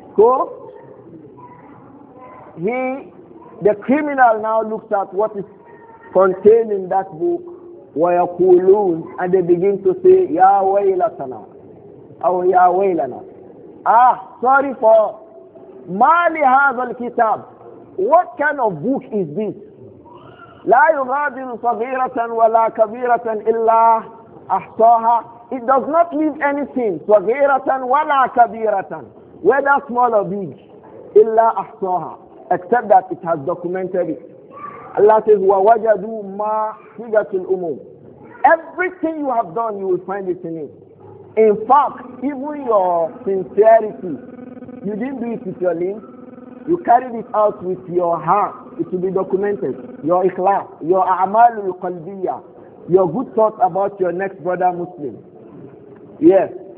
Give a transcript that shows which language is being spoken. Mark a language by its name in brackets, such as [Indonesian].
[English] So, the criminal now looks at what is contained in that book, [Arabic] وَيَقُولُونَ, [English] and they begin to say, [Arabic] يَا وَيْلَتَنَا, أو يَا وَيْلَنَا. [English] Ah, sorry for, [Arabic] مَا لِهَذَا الْكِتَابِ. [English] What kind of book is this? [Arabic] لا يغادر صغيرة ولا كبيرة إلا أحصاها. [English] It does not leave anything. [Arabic] صغيرة ولا كبيرة. [English] Whether small or big. [Arabic] إلا أحصاها. [English] Except that it has documented it. Allah says, [Arabic] ووجدوا ما حجة الأموم. [English] Everything you have done, you will find it in it. In fact, even your sincerity, you didn't do it with your limbs. You carried it out with your heart. It will be documented. Your ikhlas, your a'mal al-qalbiyya, your good thoughts about your next brother Muslim. Yes.